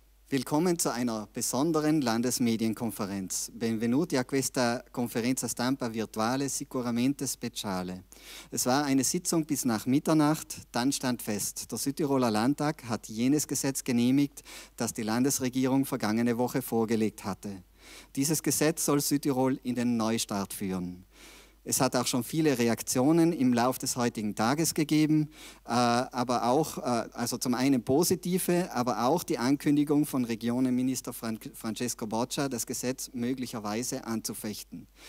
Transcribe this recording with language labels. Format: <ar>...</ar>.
<de>Willkommen zu einer besonderen Landesmedienkonferenz.</de> <it>Benvenuti a questa conferenza stampa virtuale sicuramente speciale.</it> <de>Es war eine Sitzung bis nach Mitternacht, dann stand fest, der Südtiroler Landtag hat jenes Gesetz genehmigt, das die Landesregierung vergangene Woche vorgelegt hatte. Dieses Gesetz soll Südtirol in den Neustart führen. Es hat auch schon viele Reaktionen im Lauf des heutigen Tages gegeben, aber auch, also zum einen positive, aber auch die Ankündigung von Regionenminister Francesco Boccia, das Gesetz möglicherweise anzufechten.</de>